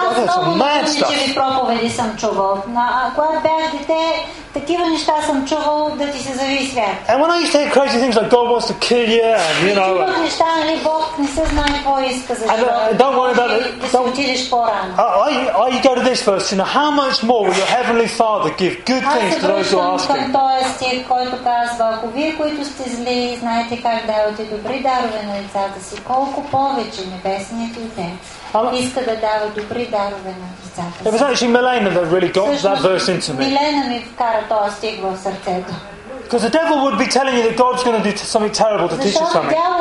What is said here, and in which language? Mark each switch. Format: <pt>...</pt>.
<en>I've heard some mad stuff. And when I used to hear crazy things like God wants to kill you, and you know, don't worry about it. I go to this verse, you know, how much more will your heavenly Father give good things to those who ask Him?</en> <bg>Стих, който казва, ако вие, които сте зли, знаете как давате добри дарове на децата си, колко повече Небесният Отец иска да дава добри дарове на децата си.</bg> <en>It was actually Milena that really got that verse into me.</en> <bg>Милена ми вкара този стих в сърцето.</bg> <en>Because the devil would be telling you that God's going to do something terrible to teach you something.</en>